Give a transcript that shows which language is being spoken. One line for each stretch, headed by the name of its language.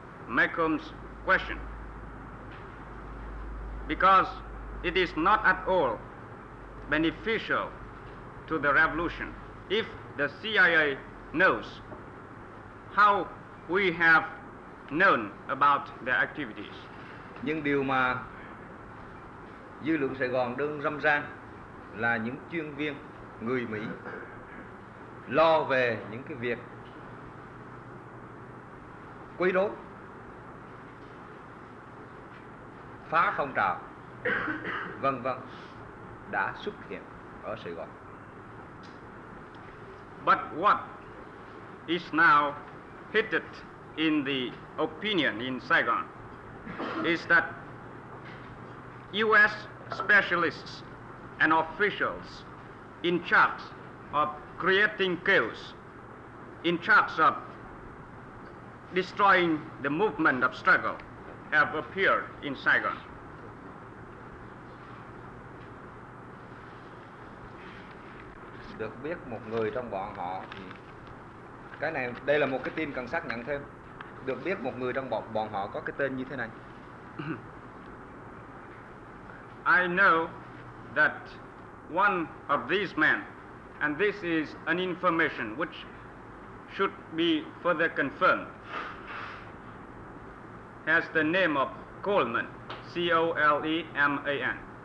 English: Malcolm's question, because it is not at all beneficial to the revolution if the CIA knows how we have known about their activities.
Vietnamese: Nhưng điều mà dư luận Sài Gòn đương râm ran là những chuyên viên người Mỹ lo về những cái việc quấy rối phá phong trào vân vân đã xuất hiện ở Sài Gòn.
English: But what is now hidden in the opinion in Saigon is that US specialists and officials in charge of creating chaos, in charge of destroying the movement of struggle, have appeared in Saigon.
Vietnamese: Được biết một người trong bọn họ, cái này đây là một cái tin cần xác nhận thêm, được biết một người trong bọn họ có cái tên như thế này.
English: I know that one of these men, and this is an information which should be further confirmed, has the name of Coleman, C-O-L-E-M-A-N.